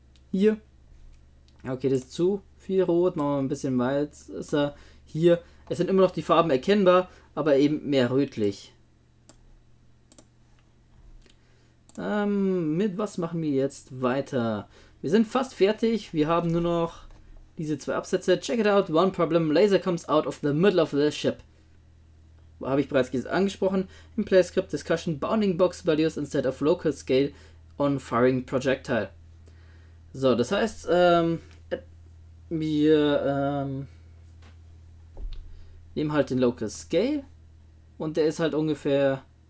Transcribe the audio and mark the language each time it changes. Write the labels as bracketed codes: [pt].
[de] Hier. Okay, das ist zu viel Rot. Machen wir ein bisschen weißer. Hier. Es sind immer noch die Farben erkennbar, aber eben mehr rötlich. Mit was machen wir jetzt weiter? Wir sind fast fertig. Wir haben nur noch diese zwei Absätze. [en] Check it out. One problem. Laser comes out of the middle of the ship. [de] Habe ich bereits angesprochen. [en] In PlayScript Discussion. Bounding box values instead of local scale on firing projectile. [de] So, das heißt, nehmen halt den Local Scale und der ist halt ungefähr.